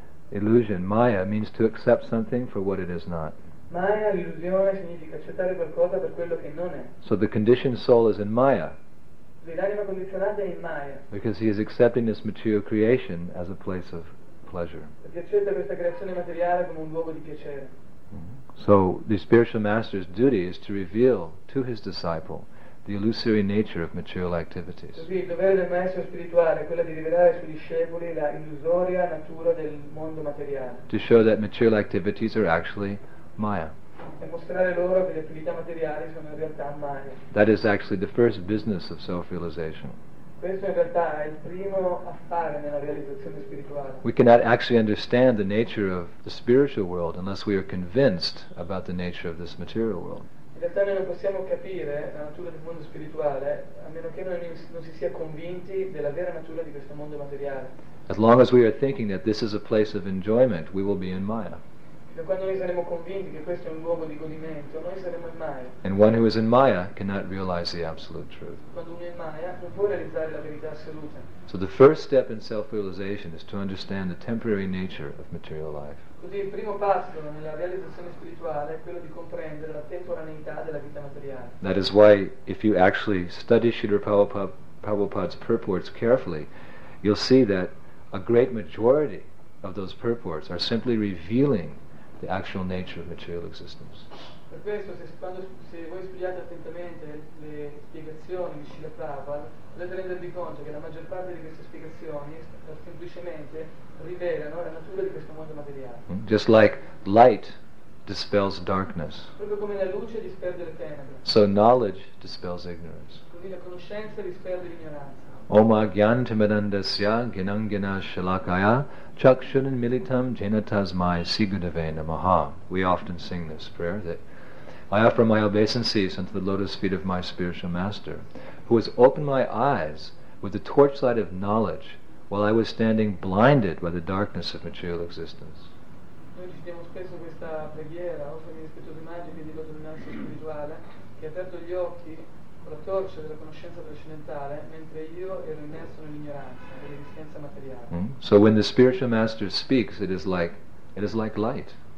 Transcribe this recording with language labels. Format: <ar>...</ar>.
<en>Illusion, Maya, means to accept something for what it is not.</en> <it>Maya, l'illusione, significa accettare qualcosa per quello che non è.</it> <en>So the conditioned soul is in Maya.</en> <it>L'anima condizionata è in Maya.</it> <en>Because he is accepting this material creation as a place of pleasure.</en> <it>Perché accetta questa creazione materiale come un luogo di piacere.</it> <en>So the spiritual master's duty is to reveal to his disciple the illusory nature of material activities.</en> <it>Così il dovere del maestro spirituale è quello di rivelare ai suoi discepoli la illusoria natura del mondo materiale.</it> <en>To show that material activities are actually Maya.</en> <it>E mostrare loro che le attività materiali sono in realtà Maya.</it> <en>That is actually the first business of self-realization.</en> <it>Questo in realtà è il primo affare nella realizzazione spirituale.</it> <en>We cannot actually understand the nature of the spiritual world unless we are convinced about the nature of this material world.</en> <it>In realtà noi non possiamo capire la natura del mondo spirituale a meno che noi non si sia convinti della vera natura di questo mondo materiale.</it> <en>As long as we are thinking that this is a place of enjoyment, we will be in Maya.</en> <it>Fino a quando noi saremo convinti che questo è un luogo di godimento, noi saremo in Maya.</it> <en>And one who is in Maya cannot realize the absolute truth.</en> <it>Quando uno è in Maya non può realizzare la verità assoluta.</it> <en>So the first step in self-realization is to understand the temporary nature of material life.</en> <it>Così il primo passo nella realizzazione spirituale è quello di comprendere la temporaneità della vita materiale.</it> <en>That is why if you actually study Srila Prabhupada's purports carefully, you'll see that a great majority of those purports are simply revealing the actual nature of material existence.</en> <it>Per questo se voi studiate attentamente le spiegazioni di Srila Prabhupada, potete rendervi conto che la maggior parte di queste spiegazioni semplicemente rivelano la natura di questo mondo materiale.</it> <en>Just like light dispels darkness.</en> <it>Proprio come la luce disperde le tenebre.</it> <en>So knowledge dispels ignorance.</en> <it>Così la conoscenza disperde l'ignoranza.</it> <sa>Oma gyan timidandasya ginangina shalakaya chakshunin militam jenatasmai sigudave namaha.</sa> <en>We often sing this prayer that I offer my obeisances unto the lotus feet of my spiritual master, who has opened my eyes with the torchlight of knowledge while I was standing blinded by the darkness of material existence.</en> <it>Noi recitiamo spesso questa preghiera, offrendo il spirito d'immagine di dominanza spirituale, che ha aperto gli occhi con la torcia della conoscenza trascendentale, mentre io ero immerso nell'ignoranza, nell'esistenza materiale.</it> <en>So when the spiritual master speaks, it is like light.</en>